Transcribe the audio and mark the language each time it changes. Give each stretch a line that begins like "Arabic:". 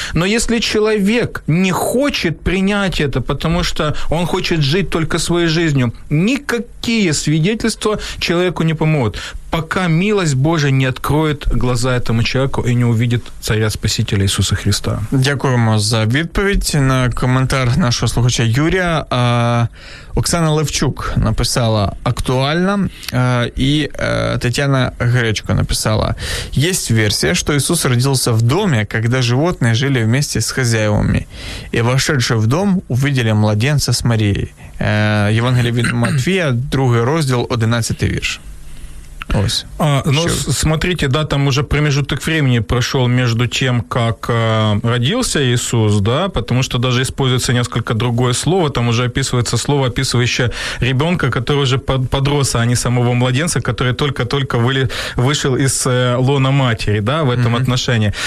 Russian: Но если человек не хочет принять это, потому что он хочет жить только своей жизнью, никакие свидетельства человеку не помогут, пока милость Божия не откроет глаза этому человеку и не увидит Царя Спасителя Иисуса Христа.
Ukrainian: Дякуємо за відповідь на коментар нашого слухача Юрія.
Russian: Оксана Левчук написала актуально, и Татьяна Гречко написала: есть версия, что Иисус родился в доме, когда животные жили вместе с хозяевами, и вошедшие в дом увидели младенца с Марией.
Ukrainian: Евангелие від Матвія, 2 розділ, 11 вірш.
Russian: Смотрите, да, там уже промежуток времени прошел между тем, как родился Иисус, да, потому что даже используется несколько другое слово, там уже описывается слово, описывающее ребенка, который уже подрос, а не самого младенца, который только-только вышел из лона матери, да, в этом отношении.